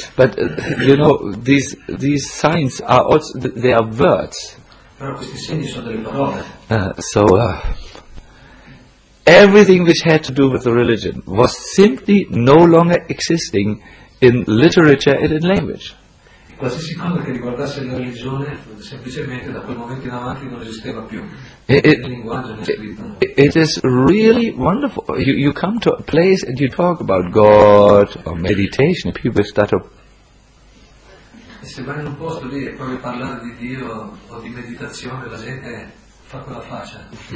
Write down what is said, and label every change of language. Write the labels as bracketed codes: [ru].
[en] But you know, these signs are also, they are words. Everything which had to do with the religion was simply no longer existing in literature and in language. [it] qualsiasi cosa che riguardasse la religione, semplicemente da quel momento in avanti non esisteva più. [en] It is really wonderful. You come to a place and you talk about God or meditation, and people start to. [it] E se vai in un posto lì e provi a parlare di Dio o di meditazione, la gente fa quella faccia.